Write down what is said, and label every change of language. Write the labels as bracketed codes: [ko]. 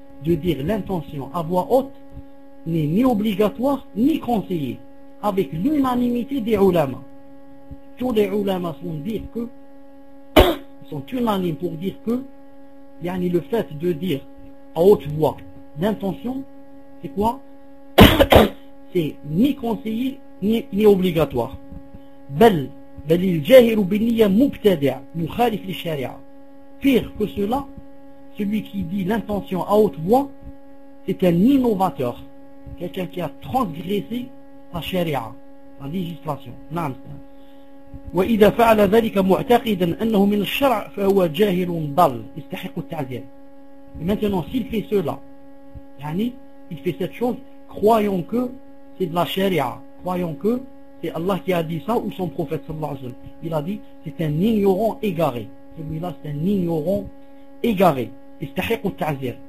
[fr] de dire l'intention à voix haute n'est ni obligatoire ni conseillé, avec l'unanimité des ulamas. Tous les ulamas sont unanimes pour dire que yani le fait de dire à haute voix l'intention, c'est quoi? C'est ni conseillé ni obligatoire. [ar] بل الجاهل بالنية مبتدع مخالف للشريعة. [fr] Pire que cela, celui qui dit l'intention à haute voix, c'est un innovateur, quelqu'un qui a transgressé la sharia, la législation. [ar] نعم. وإذا فعل ذلك معتقدا أنه من الشرع فهو جاهل ضل يستحق التعذيب. [fr] Et maintenant, s'il fait cela, yani, il fait cette chose, croyant que c'est de la sharia, croyant que c'est Allah qui a dit ça, ou son prophète sallallahu alayhi wa sallam. Il a dit, c'est un ignorant égaré. Celui-là, c'est un ignorant égaré. [ar] Istahiq al-ta'zir.